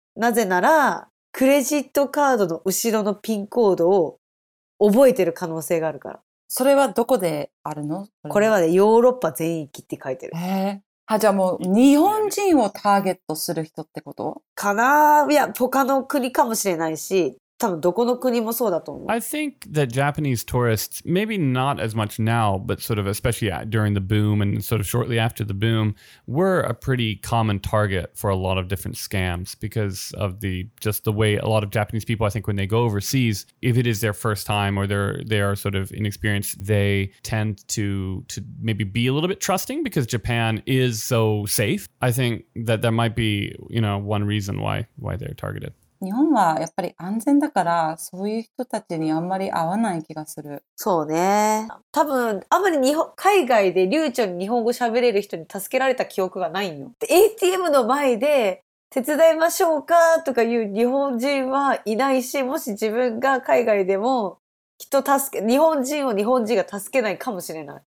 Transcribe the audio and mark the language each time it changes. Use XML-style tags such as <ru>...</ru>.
<ja>なぜなら、クレジットカードの後ろのピンコードを覚えてる可能性があるから。それはどこであるの？これはね、ヨーロッパ全域って書いてる。じゃあもう日本人をターゲットする人ってことかな？いや、他の国かもしれないし、多分どこの国もそうだと思う。</ja> <en>I think that Japanese tourists, maybe not as much now, but sort of especially during the boom and sort of shortly after the boom, were a pretty common target for a lot of different scams because of the, just the way a lot of Japanese people, I think when they go overseas, if it is their first time or they are sort of inexperienced, they tend to maybe be a little bit trusting because Japan is so safe. I think that that might be, you know, one reason why they're targeted.</en> <ja>日本はやっぱり安全だから、そういう人たちにあんまり合わない気がする。そうね。多分、あんまり日本、海外で流暢に日本語喋れる人に助けられた記憶がないんよ。 ATM の前で手伝いましょうかとかいう日本人はいないし、もし自分が海外でも、きっと助け、日本人を日本人が助けないかもしれない。</ja>